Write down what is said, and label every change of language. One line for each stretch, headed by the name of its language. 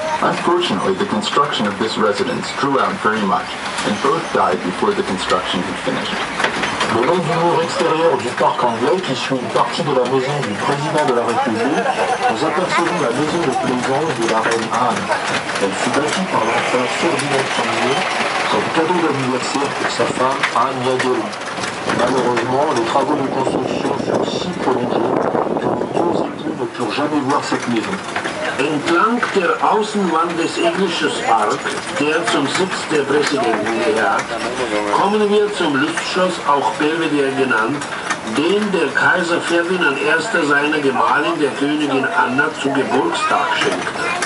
English: Unfortunately, the construction of this residence drew out very much, and both died before the construction had finished.
French: Le long du mur extérieur du parc anglais, qui suit une partie de la maison du président de la République, nous apercevons la maison de plaisance de la reine Anne. Elle fut bâtie par l'empereur Ferdinand Ier comme cadeau d'anniversaire pour sa femme Anne Yadelou. Malheureusement, les travaux de construction furent si prolongés que nos deux époux ne purent jamais voir cette maison.
German: Entlang der Außenwand des englischen Parks, der zum Sitz der Präsidenten gehört, kommen wir zum Lustschloss, auch Belvedere genannt, den der Kaiser Ferdinand I. seiner Gemahlin, der Königin Anna, zu Geburtstag schenkte.